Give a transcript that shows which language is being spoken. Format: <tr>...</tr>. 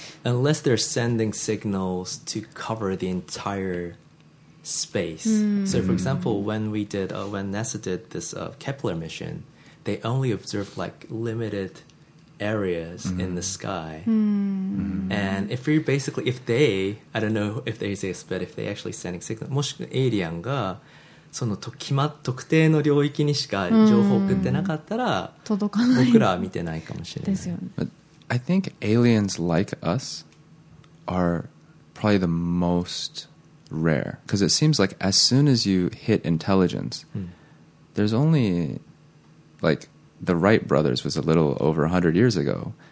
<en>Unless they're sending signals to cover the entire space. Mm. So, for example, when NASA did this Kepler mission, they only observed, like, limited areas in the sky. Mm. And if you're basically... If they... I don't know if they exist, but if they're actually sending signals...</en> <ja>もしくはエイリアンが特定の領域にしか情報を送ってなかったら、届かない。僕らは見てないかもしれない。ですよね。</ja> <en>But I think aliens like us are probably the most rare. Because it seems like as soon as you hit intelligence, there's only like the Wright brothers was a little over 100 years ago.</en>